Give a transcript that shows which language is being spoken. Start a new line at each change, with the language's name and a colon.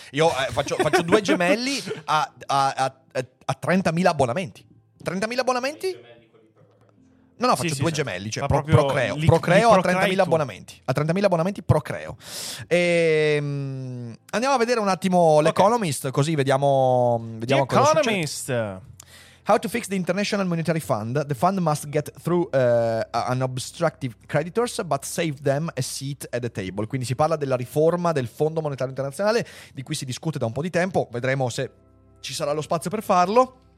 Italian: Io faccio 2 gemelli a 30.000 abbonamenti. 30.000 abbonamenti? No, faccio 2 gemelli. Cioè, procreo. Procreo a 30.000 abbonamenti. A 30.000 abbonamenti procreo. E, andiamo a vedere un attimo l'Economist, così vediamo cosa succede. Economist.
English: How to fix the International Monetary Fund. The fund must get through unobstructive creditors, but save them a seat at the table.
Italian: Quindi si parla della riforma del Fondo Monetario Internazionale, di cui si discute da un po' di tempo. Vedremo se ci sarà lo spazio per farlo.